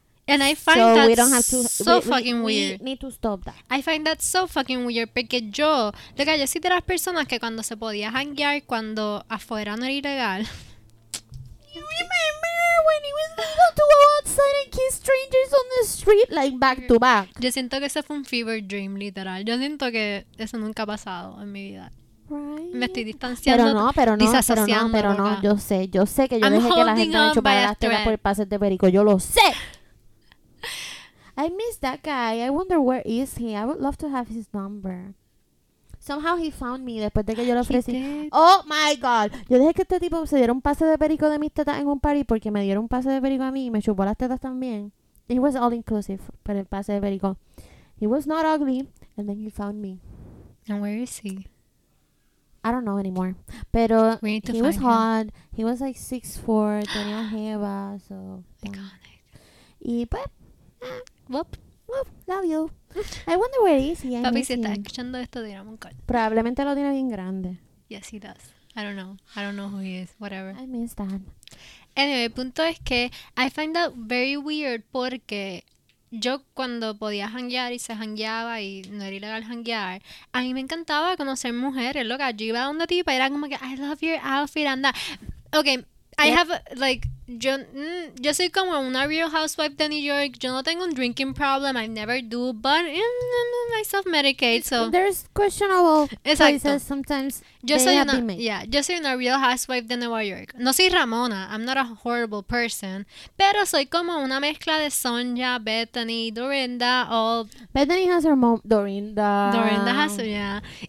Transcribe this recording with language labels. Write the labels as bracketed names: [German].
[English] And I find that so fucking weird. We need to stop that. I find that so fucking weird, [Spanish] porque yo, de que yo soy de las personas que cuando se podía hanguear, cuando afuera no era ilegal. [English] You remember when it was legal to go outside and kiss strangers on the street, like back to back? [Spanish] Yo siento que ese fue un fever dream, literal. Yo siento que eso nunca ha pasado en mi vida. [English] Right. [Spanish] Me estoy distanciando. Pero no, pero no, pero no, pero no. Acá. Yo sé que yo I'm dejé que la gente me chupara las tetas por pases de perico. Yo lo sé. [English] I miss that guy. I wonder where is he. I would love to have his number. Somehow he found me [Spanish] después de que yo le ofrecí. [English] Oh my god. [Spanish] Yo dejé que este tipo se diera un pase de perico de mis tetas en un party porque me dieron un pase de perico a mí y me chupó las tetas también. [English] It was all inclusive for [Spanish] el pase de perico. [English] He was not ugly, and then he found me. And where is he? I don't know anymore. [Spanish] Pero [English] he was hot. He was like 6'4", [Spanish] tenía jeva, [English] so. Iconic. [Spanish] Y pues, [English] Whoop, love you. I wonder where is he. [Spanish] Papi, si estás escuchando esto, dirá un call. Probablemente lo tiene bien grande. [English] Yes, he does. I don't know who he is. Whatever. I miss that. [Spanish] Anyway, punto es que [English] I find that very weird [Spanish] porque yo cuando podía hanguear y se hangueaba y no era ilegal hanguear, a mí me encantaba conocer mujeres, loca. Yo iba a una tipa y era como que, [English] I love your outfit, [Spanish] anda. [English] Okay, yeah. I have, like, [Spanish] yo soy como una Real Housewife de New York. Yo no tengo un [English] drinking problem. I never do, but I self-medicate, so. There's questionable places sometimes. [Spanish] Yo soy una Real Housewife de Nueva York. No soy Ramona. [English] I'm not a horrible person. [Spanish] Pero soy como una mezcla de Sonja, Bethany, Dorinda, all. [English] Bethany has her mom, Dorinda. Dorinda has her, yeah.